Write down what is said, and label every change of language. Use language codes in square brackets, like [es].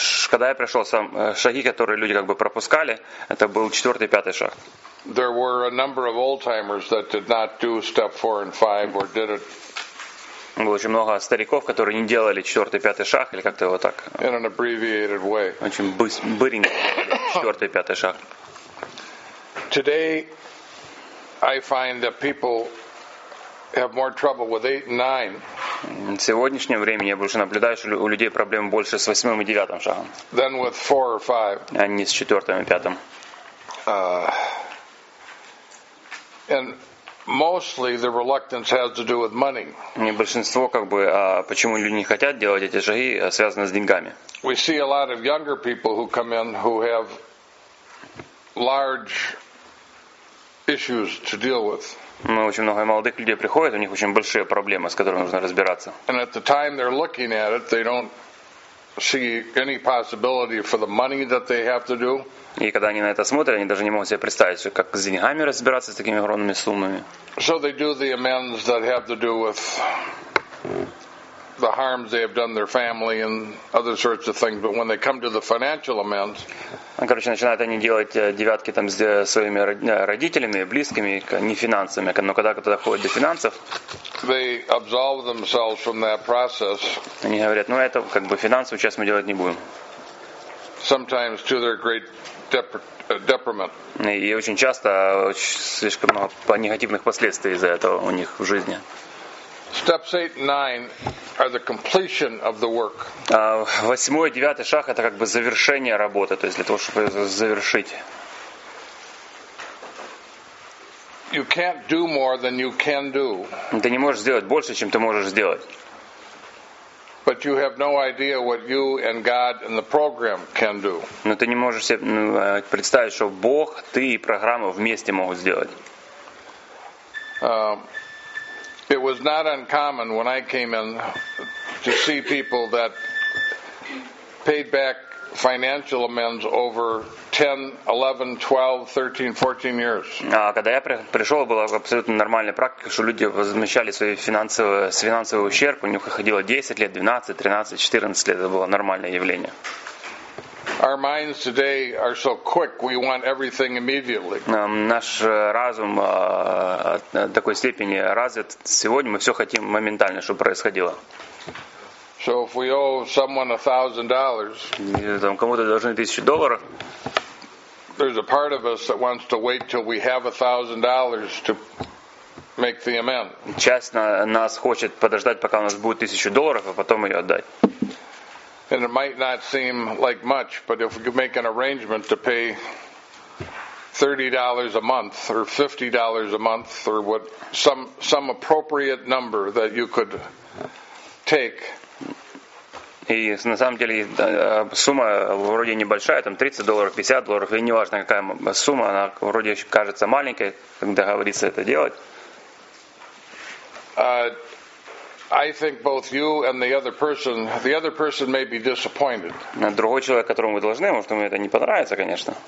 [ru] Когда я пришел, шаги, которые люди как бы пропускали, это был 4-й и 5-й шаг. [en] There were a number of old timers that did not do step 4 and 5 or did it. [ru] Было очень много стариков, которые не делали 4-й и 5-й шаг, или как-то вот так. [en] In an abbreviated way. [ru] Очень быстренько 4-й и 5-й шаг. [en] Today, I find that people have more trouble with 8 and 9. [ru] В сегодняшнем времени я больше наблюдаю, что у людей проблем больше с 8-м и 9-м шагом. [en] Than with 4 or 5. [ru] А не с 4-м и 5-м. [en] And mostly the reluctance has to do with money. [ru] И большинство, как бы, почему люди не хотят делать эти шаги, связано с деньгами. [en] We see a lot of younger people who come in who have large issues to deal with. [ru] Ну, очень много молодых людей приходят, у них очень большие проблемы, с которыми нужно разбираться. [en] And at the time they're looking at it, they don't see any possibility for the money that they have to do. [ru] И когда они на это смотрят, они даже не могут себе представить, как с деньгами разбираться с такими огромными суммами. [en] So they do the amends that have to do with the harms they have done their family and other sorts of things. But when they come to the financial amends, [ru] короче, начинают они делать девятки там с своими родителями, близкими, не финансами. Но когда кто-то доходит до финансов, [en] they absolve themselves from that process. [ru] Они говорят, ну это как бы финансово сейчас мы делать не будем. [en] Sometimes to their great deprement. [ru] И очень часто слишком много негативных последствий из-за этого у них в жизни. [en] Steps 8 and 9 are the completion of the work. [ru] 8-й и 9-й шаг это как бы завершение работы, то есть для того, чтобы завершить. [en] You can't do more than you can do. [ru] Ты не можешь сделать больше, чем ты можешь сделать. [en] But you have no idea what you and God and the program can do. [ru] Но ты не можешь себе представить, что Бог, ты и программа вместе могут сделать. [en] It was not uncommon when I came in to see people that paid back financial amends over 10, 11, 12, 13, 14 years. [ru] А когда я пришел, была абсолютно нормальная практика, что люди возмещали свои финансовый ущерб, у них уходило 10 лет, 12, 13, 14 лет, это было нормальное явление. [en] Our minds today are so quick, we want everything immediately. [ru] Наш разум такой степени развит, сегодня мы все хотим моментально, чтобы происходило. [en] So if we owe someone $1,000, [ru] там кому-то должны $1,000. [en] There's a part of us that wants to wait till we have $1,000 to make the amend. [ru] Часть нас хочет подождать, пока у нас будет $1,000, а потом ее отдать. [en] And it might not seem like much, but if you make an arrangement to pay $30 a month or $50 a month or what some appropriate number that you could take. [ru] И на самом деле сумма вроде небольшая, там $30, $50, и неважно какая сумма, она вроде кажется маленькой, как договориться это делать. Другой человек, которому вы должны, может ему это не понравится, конечно.